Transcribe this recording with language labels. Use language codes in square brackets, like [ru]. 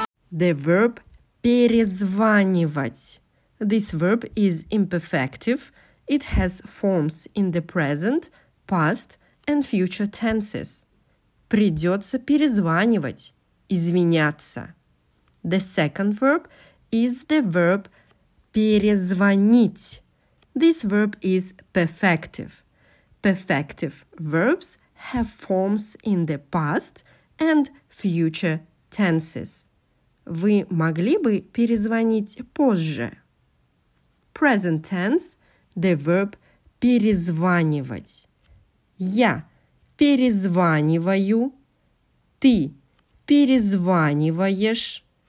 [en] The verb перезванивать. This verb is imperfective. It has forms in the present, past, and future tenses. [ru] Придется перезванивать, извиняться. [en] The second verb is the verb перезвонить. This verb is perfective. Perfective verbs have forms in the past and future tenses. [ru] Вы могли бы перезвонить позже? [en] Present tense, the verb перезванивать. [ru] Я перезваниваю. Ты перезваниваешь.